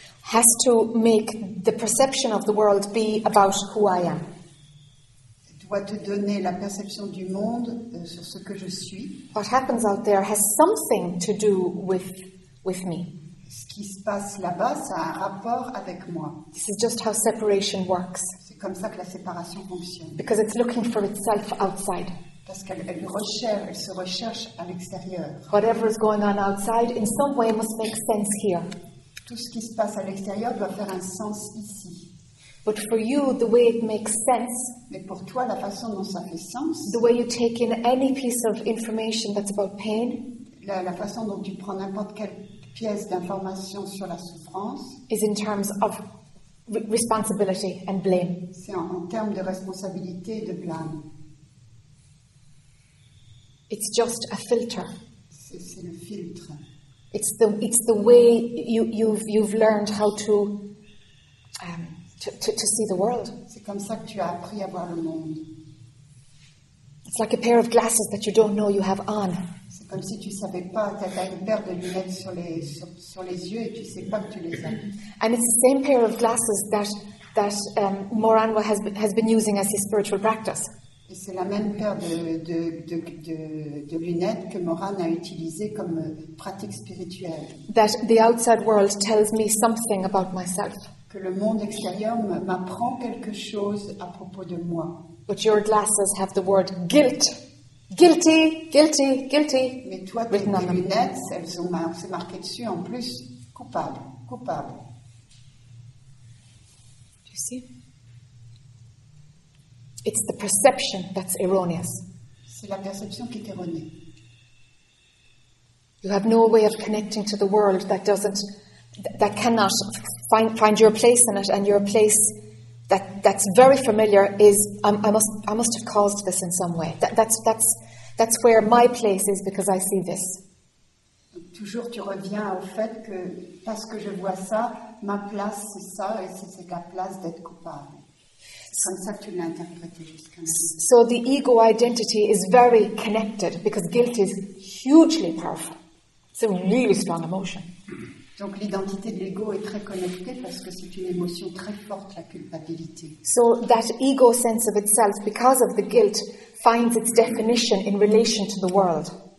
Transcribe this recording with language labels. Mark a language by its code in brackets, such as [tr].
[en] has to make the perception of the world be about who I am. [fr] Doit te donner la perception du monde sur ce que je suis. [en] What happens out there has something to do with me. [fr] Ce qui se passe là-bas, ça a un rapport avec moi. [en] This is just how separation works. [fr] C'est comme ça que la séparation fonctionne. [en] Because it's looking for itself outside. [fr] Parce qu'elle se recherche à l'extérieur. [en] Whatever is going on outside, in some way, must make sense here. [fr] Tout ce qui se passe à l'extérieur doit faire un sens ici. [en] But for you, the way it makes sense. [fr] Mais pour toi, la façon dont ça fait sens. [en] The way you take in any piece of information that's about pain. [fr] La façon dont tu prends n'importe quelle pièce d'information sur la souffrance. [en] Is in terms of responsibility and blame. [fr] C'est en termes de responsabilité et de blâme. [en] It's just a filter. [fr] C'est le filtre. [en] It's the way you've learned how to see the world. [fr] C'est comme ça que tu as appris à voir le monde. [en] It's like a pair of glasses that you don't know you have on. [fr] C'est comme si tu savais pas, tu as une paire de lunettes sur les yeux et tu sais pas que tu les as. [en] And it's the same pair of glasses that Moranwa has been using as his spiritual practice. [fr] Et c'est la même paire de lunettes que Morane a utilisé comme pratique spirituelle. [en] That the outside world tells me something about myself. [fr] Que le monde extérieur m'apprend quelque chose à propos de moi. [en] But your glasses have the word guilt. Guilty, guilty, guilty. [fr] Mais toi, tes lunettes, elles ont marqué dessus en plus. Coupable, coupable. [en] Do you see? It's the perception that's erroneous. [fr] C'est la perception qui est erronée. [en] You have no way of connecting to the world that doesn't, that cannot find your place in it, and your place that's very familiar is I must have caused this in some way. That's where my place is because I see this. [fr] Toujours tu reviens au fait que parce que je vois ça, ma place c'est ça et c'est la place d'être coupable. [en] So the ego identity is very connected because guilt is hugely powerful. It's a really strong emotion. [fr] Donc l'identité de l'ego est très connectée parce que c'est une émotion très forte, la culpabilité. [en] So that ego sense of itself, because of the guilt, finds its definition in relation to the world.